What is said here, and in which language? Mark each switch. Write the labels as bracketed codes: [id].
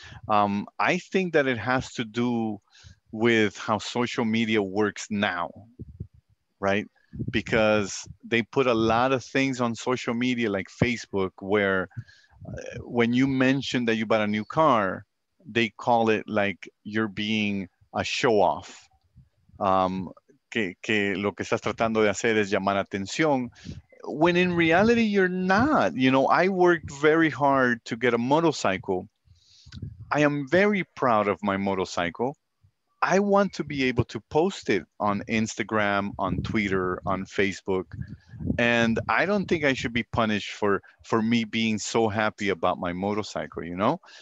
[en] I think that it has to do with how social media works now, right? Because they put a lot of things on social media like Facebook where when you mention that you bought a new car, they call it like you're being a show-off. [es] Que lo que estás tratando de hacer es llamar atención. [en] When in reality, you're not. You know, I worked very hard to get a motorcycle. I am very proud of my motorcycle. I want to be able to post it on Instagram, on Twitter, on Facebook. And I don't think I should be punished for me being so happy about my motorcycle, you know?